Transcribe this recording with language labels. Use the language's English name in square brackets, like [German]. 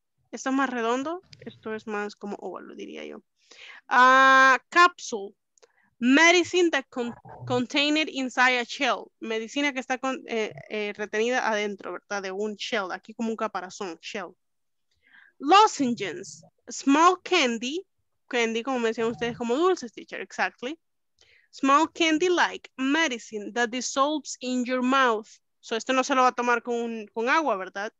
[Spanish] Esto es más redondo, esto es más como óvalo, diría yo. [English] Capsule, medicine that contained inside a shell. [Spanish] Medicina que está con, retenida adentro, ¿verdad? De un shell, aquí como un caparazón, shell. [English] Lozenges, small candy. [Spanish] Candy, como decían ustedes, como dulces, [English] teacher, exactly. Small candy-like medicine that dissolves in your mouth. [Spanish] So, esto no se lo va a tomar con agua, ¿verdad?